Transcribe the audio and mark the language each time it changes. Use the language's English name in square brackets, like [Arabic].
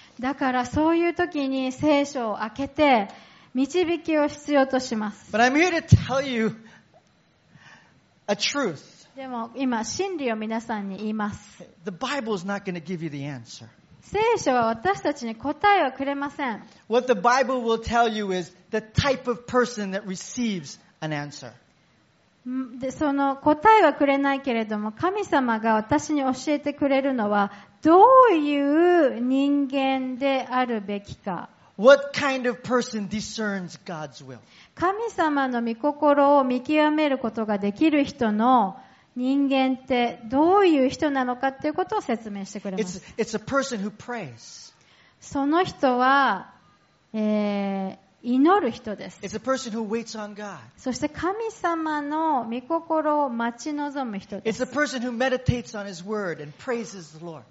[Japanese] だからそういう時に聖書を開けて導きを必要とします。 [English] But I'm here to tell you a truth. [Japanese] でも今真理を皆さんに言います。 [English] The Bible is not going to give you the answer. [Japanese] 聖書は私たちに答えはくれません。 [English] What the Bible will tell you is the type of person that receives an answer. [Japanese] で、その答えはくれないけれども、神様が私に教えてくれるのはどういう人間であるべきか。 [English] What kind of person discerns God's will? [Japanese] 神様の御心を見極めることができる人の人間ってどういう人なのかっていうことを説明してくれます。 [English] It's a person who prays. [Japanese] その人は、祈る人です。 [English] It's a person who waits on God. [Japanese] そして神様の御心を待ち望む人です。 [English] It's a person who meditates on His word and praises the Lord.